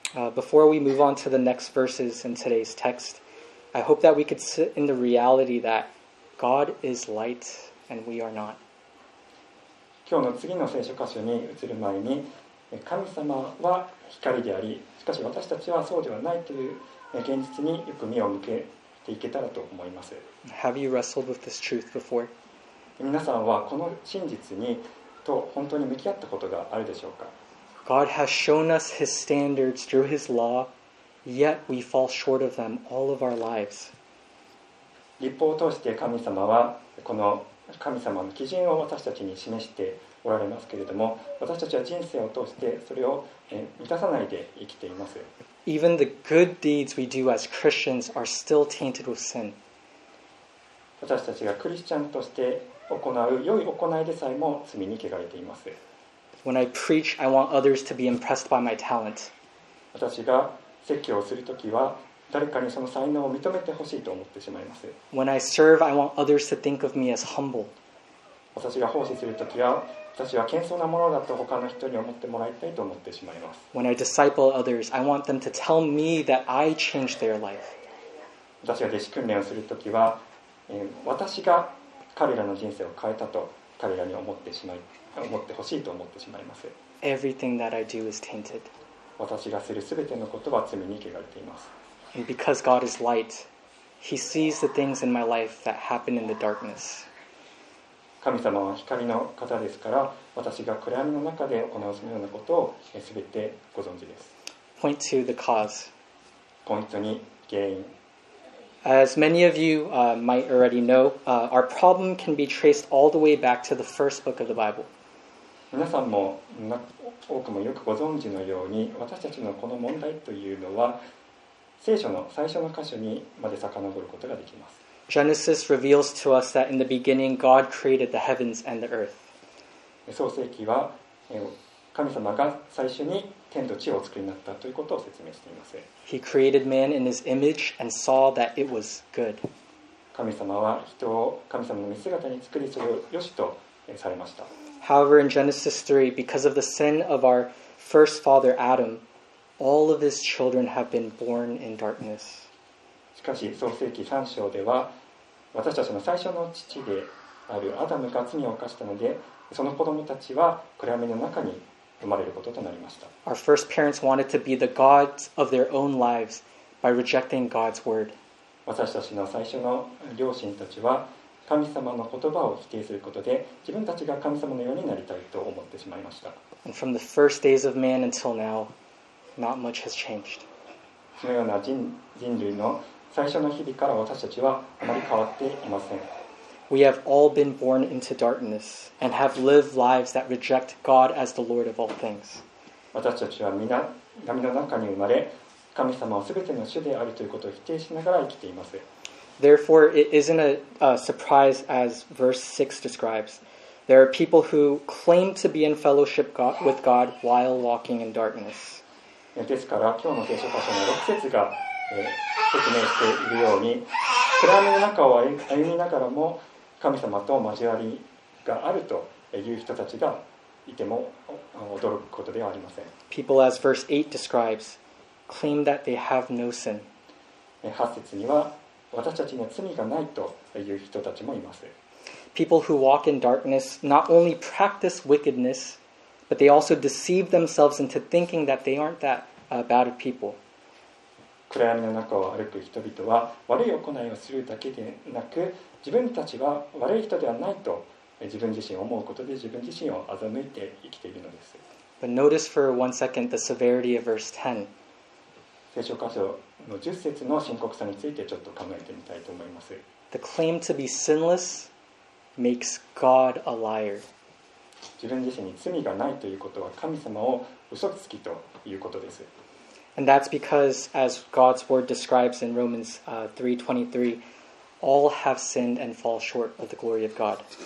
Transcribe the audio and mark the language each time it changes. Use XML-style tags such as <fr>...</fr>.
<en>Before we move on to the next verses in today's text, I hope that we could sit in the reality that God is light and we are not.</en> <ja>今日の次の聖書箇所に移る前に神様は光であり、しかし私たちはそうではないという現実によく目を向けていけたらと思います。</ja> <en>Have you wrestled with this truth before?</en> <ja>皆さんはこの真実にと本当に向き合ったことがあるでしょうか。</ja> <en>God has shown us His standards through His law, yet we fall short of them all of our lives.</en> <ja>律法を通して神様はこの神様の基準を私たちに示しておられますけれども、私たちは人生を通してそれを満たさないで生きています。</ja> <en>Even the good deeds we do as Christians are still tainted with sin.</en> <ja>私たちがクリスチャンとして行う良い行いでさえも罪に汚れています。</ja> <en>When I preach, I want others to be impressed by my talent.</en> <ja>私が説教をするときは誰かにその才能を認めてほしいと思ってしまいます。</ja> <en>When I serve, I want others to think of me as humble.</en> <ja>私が奉仕するときは私は謙遜なものだと他の人に思ってもらいたいと思ってしまいます。</ja> <en>When I disciple others, I want them to tell me that I changed their life.</en> <ja>私が弟子訓練をするときは私が彼らの人生を変えたと彼らに思ってしまい思ってほしいと思ってしまいます。</ja> <en>Everything that I do is tainted.</en> <ja>私がするすべてのことは罪に汚れています。</ja> <en>And because God is light, He sees the things in my life that happen in the darkness.</en> <ja>神様は光の方ですから、私が暗闇の中で行うようなことをすべてご存知です。</ja> <en>Point to the cause.</en> <ja>ポイントに原因。</ja> <en>As many of you might already know, our problem can be traced all the way back to the first book of the Bible.</en> <ja>皆さんも多くもよくご存知のように、私たちのこの問題というのは、聖書の最初の箇所にまで遡ることができます。</ja> <en>Genesis reveals to us that in the beginning, God created the heavens and the earth.</en> <ja>創世記は、神様が最初に天と地をお作りになったということを説明しています。</ja> <en>He created man in his image and saw that it was good.</en> <ja>神様は人を神様の見姿に作り、それを良しとされました。</ja> <en>However, in Genesis 3, because of the sin of our first father Adam, all of his children have been born in darkness.</en> <ja>しかし、創世記3章では、私たちの最初の父であるアダムが罪を犯したので、その子供たちは暗闇の中に生まれることとなりました。</ja> <en>Our first parents wanted to be the gods of their own lives by rejecting God's word.</en> <ja>私たちの最初の両親たちは神様の言葉を否定することで自分たちが神様のようになりたいと思ってしまいました。</ja> <en>And from the first days of man until now, not much has changed.</en> <ja>そのような人類の最初の日々から私たちはあまり変わっていません。</ja> <en>We have all been born into darkness and have lived lives that reject God as the Lord of all things.</en> <ja>私たちは皆闇の中に生まれ、神様は全ての主であるということを否定しながら生きています。</ja> <en>Therefore, it isn't a surprise as verse 6 describes. There are people who claim to be in fellowship with God while walking in darkness.</en> <ja>ですから、今日の聖書箇所の6節が説明しているように、暗闇の中を歩みながらも神様と交わりがあるという人たちがいても驚くことではありません。</ja> <en>People as verse 8 describes claim that they have no sin.</en> <ja>8節には私たちには罪がないという人たちもいます。</ja> <en>People who walk in darkness not only practice wickedness, but they also deceive themselves into thinking that they aren't that bad of people.</en> <ja>暗闇の中を歩く人々は悪い行いをするだけでなく、自分たちは悪い人ではないと自分自身を思うことで自分自身を欺いて生きているのです。</ja> <en>But notice for one second the severity of verse 10.</en> <ja>聖書箇所の10節の深刻さについてちょっと考えてみたいと思います。</ja> <en>The claim to be sinless makes God a liar.</en> <ja>自分自身に罪がないということは神様を嘘つきということです。</ja> <en>And that's because, as God's word describes in Romans 3:23, all have sinned and fall short of the glory of God.</en>